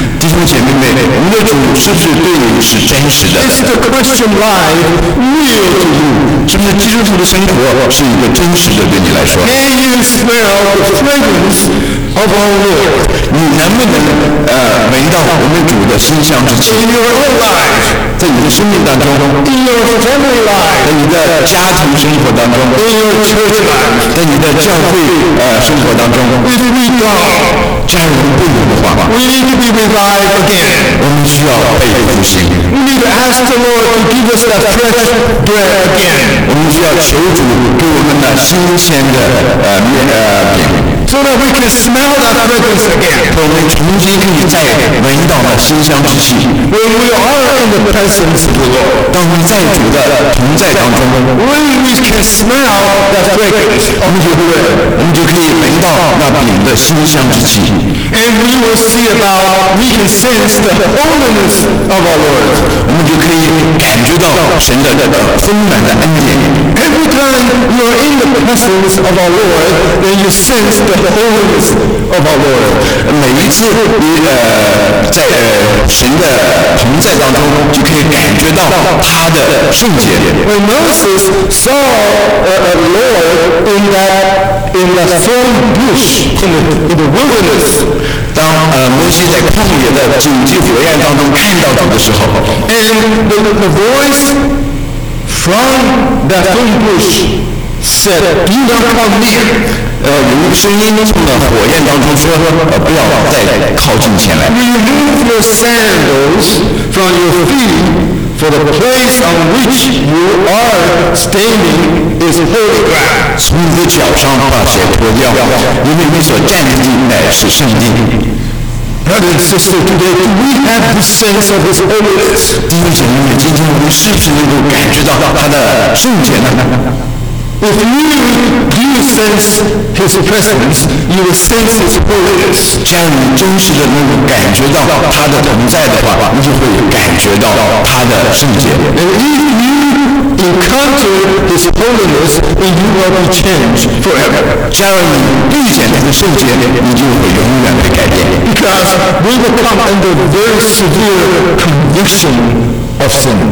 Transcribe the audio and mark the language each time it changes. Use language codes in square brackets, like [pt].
[zh] 弟兄姐妹们，你的主是不是对你是真实的 [en] ？Is the Christian life real to you? [zh] 是不是基督徒的生活是一个真实的对你来说 [en] ？Can you smell the fragrance of our Lord? [zh] 你能不能闻到我们主的馨香之气 [en] ？In your own life. [zh] 在你的生命当中 [en] ，In your family life， [zh] 在你的家庭生活当中 [en] ，In your church life， [zh] 在你的教会生活当中 [en] ，If we don't， [zh] 家人不如的话 [en] ，We need to be revived again， [zh] 我们需要被复兴。 [en] We need to ask the Lord to give us that fresh bread again， [zh] 我们需要求主给我们那新鲜的饼。 [en] So that we can smell that fragrance again， [zh] 我们重新可以再闻到那馨香之气。 [en] When we are in the presence of the Lord， [zh] 当我们在主的同在当中 [en] ，When we can smell that fragrance of the Lord， [zh] 我们就可以闻到那饼的馨香之气。 [en] And we will see about we can sense the holiness of our Lord， [zh] 我们就可以感觉到神的那个丰满的恩典。 [en] Every time you are in the presence of our Lord， then you sense。 The holiness of our Lord. [zh] 每一次你在神的同在当中，就可以感觉到他的圣洁。 [en] When Moses saw a Lord in that thorn bush in the wilderness. [zh] 当摩西在旷野的荆棘火焰当中看到他的时候 [en] ，and the voice from that thorn bush said, "Do not come near." [zh] 有一个声音从那火焰当中说：“不要再靠近前来。” [en] Remove your sandals from your feet, for the place on which you are standing is holy ground. [zh] 从你的脚上把鞋脱掉，因为你所站的地乃是圣地。 [en] Brother and sister, today do we have the sense of His holiness? [zh] 弟兄姐妹们，今天我们是不是能够感觉到他的圣洁呢？ [en] If you do sense His presence, you will sense His holiness. [zh] 只要你真实的能够感觉到他的同在的话，你就会感觉到他的圣洁。 [en] And if you encounter His holiness, then you will be changed forever. [zh] 只要你遇见他的圣洁，你就会永远的改变。 [en] Because we will come under very severe conviction of sin.